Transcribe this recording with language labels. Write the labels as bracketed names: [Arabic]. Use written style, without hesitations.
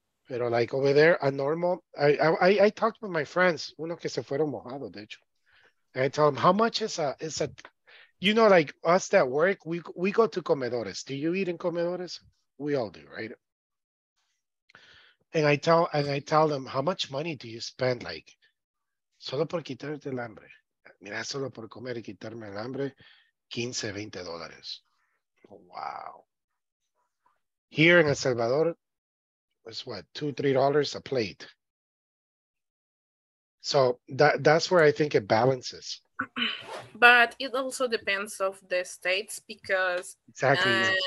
[English] But like over there, a normal, I talked with my friends, [Spanish] uno que se fueron mojado, de hecho. [English] And I tell them, how much is a, you know, like us that work, we go to comedores. Do you eat in comedores? We all do, right? And I tell them, how much money do you spend? [Spanish] Like, solo por quitarte el hambre. Mira, solo por comer y quitarme el hambre, $15-$20. [English] Wow. Here in El Salvador, it's what, $2-$3 a plate. So that's where I think it balances. But it also depends of the states, because exactly,